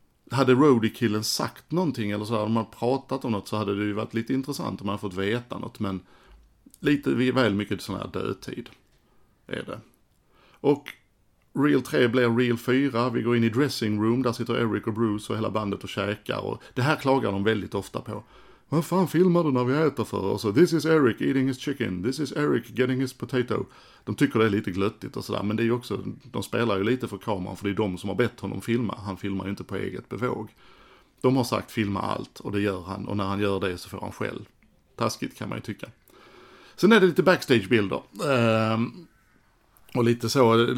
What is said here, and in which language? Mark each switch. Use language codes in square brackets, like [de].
[sv] Hade roadie-killen sagt någonting eller så hade man pratat om något så hade det ju varit lite intressant om man fått veta något. Men lite väl mycket sån här dödtid är det. Och Reel 3 blir Reel 4. Vi går in i dressing room. Där sitter Eric och Bruce och hela bandet och käkar. Och det här klagar de väldigt ofta på. Vad fan filmar du när vi äter för oss? [en] This is Eric eating his chicken. This is Eric getting his potato. [sv] De tycker det är lite glöttigt och sådär. Men det är ju också, de spelar ju lite för kameran. För det är de som har bett honom filma. Han filmar ju inte på eget bevåg. De har sagt filma allt. Och det gör han. Och när han gör det så får han själv. Taskigt kan man ju tycka. Sen är det lite backstage-bilder. Och lite så.